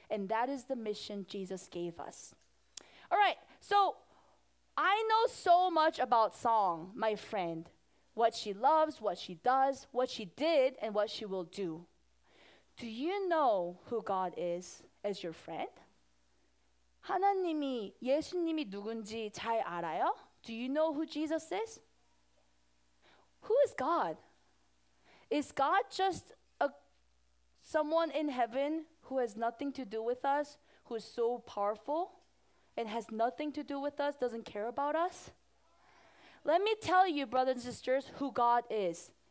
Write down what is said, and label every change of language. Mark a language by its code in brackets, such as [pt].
[en] And that is the mission Jesus gave us. All right, so I know so much about Song, my friend, what she loves, what she does, what she did, and what she will do. Do you know who God is as your friend? [ko] 하나님이 예수님이 누군지 잘 알아요? [en] Do you know who Jesus is? Who is God? Is God just someone in heaven who has nothing to do with us, who is so powerful? And has nothing to do with us, doesn't care about us? Let me tell you, brothers and sisters, who God is.